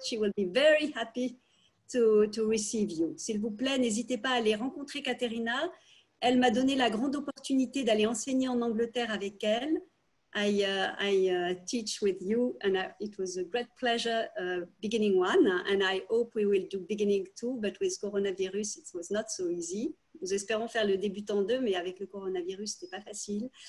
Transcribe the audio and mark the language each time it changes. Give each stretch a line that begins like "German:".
English: She will be very happy to receive you.
French: S'il vous plaît, n'hésitez pas à aller rencontrer Caterina. Elle m'a donné la grande opportunité d'aller enseigner en Angleterre avec elle.
English: I teach with you, and it was a great pleasure beginning one, and I hope we will do beginning two, but with coronavirus, it was not so easy.
French: Nous espérons faire le débutant deux, mais avec le coronavirus, c'était pas facile.